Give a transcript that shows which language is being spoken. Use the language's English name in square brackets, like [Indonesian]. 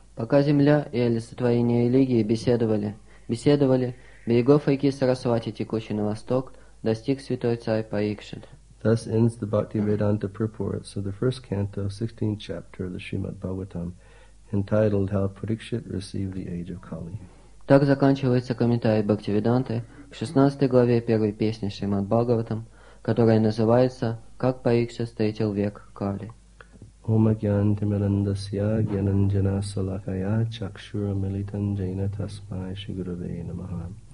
[Russian] Пока земля и олицетворение религии беседовали, берегов реки Сарасвати, текущей на восток, достиг святой царь Парикшит. [English] Thus ends the Bhaktivedanta purport, so the first canto, 16th chapter of the Srimad Bhagavatam, entitled How Pudikshit Received the Age of Kali. [Russian] Так заканчивается комментарий Бхактивиданты к 16 главе первой песни Шримад Бхагаватам, которая называется «Как Парикшит встретил век Кали». [Sanskrit] Ом агьян тимирандасья гьянанджана салакая чакшура милитан джайна тасмай шигуруве намаха.